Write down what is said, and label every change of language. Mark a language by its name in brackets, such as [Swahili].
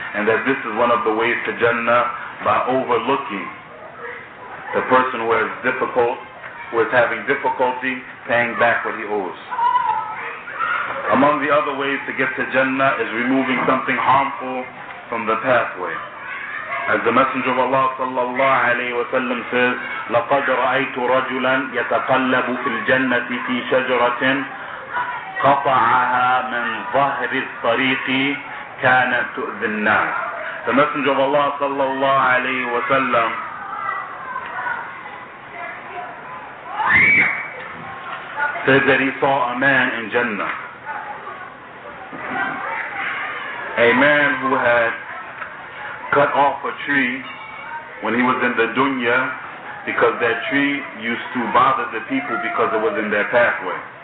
[English] And that this is one of the ways to Jannah, by overlooking the person who is difficult, who is having difficulty paying back what he owes. Among the other ways to get to Jannah is removing something harmful from the pathway. As the Messenger of Allah sallallahu alayhi wa sallam says, [Arabic] لَقَدْ رَأَيْتُ رَجُلًا يَتَقَلَّبُ فِي الْجَنَّةِ فِي شَجْرَةٍ قَطَعَهَا مِنْ ظَهْرِ الطَّرِيقِ كَانَتْ تُؤْذِ النَّاسِ. [English] The Messenger of Allah sallallahu alayhi wa sallam says that he saw a man in Jannah. A man who had cut off a tree when he was in the dunya, because that tree used to bother the people because it was in their pathway.